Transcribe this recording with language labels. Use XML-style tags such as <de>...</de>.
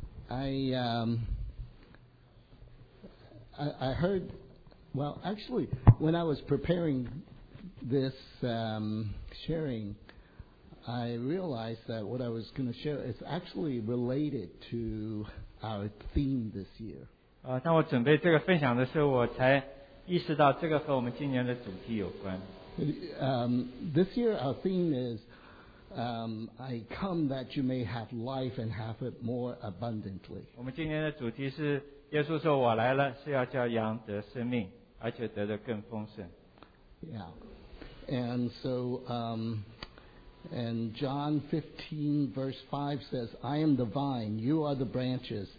<en>I heard, well, actually, when I was preparing this sharing,I realized that what I was going to share is actually related to our theme this year.</en> <zh>当我准备这个分享的时候，我才意识到这个和我们今年的主题有关。</zh> <en>This year our theme is, I come that you may have life and have it more abundantly.</en> <zh>我们今年的主题是耶稣说我来了是要叫羊得生命，而且得的更丰盛。</zh> <en>Yeah, and so. And John 15:5 says, I am the vine, you are the branches.</en>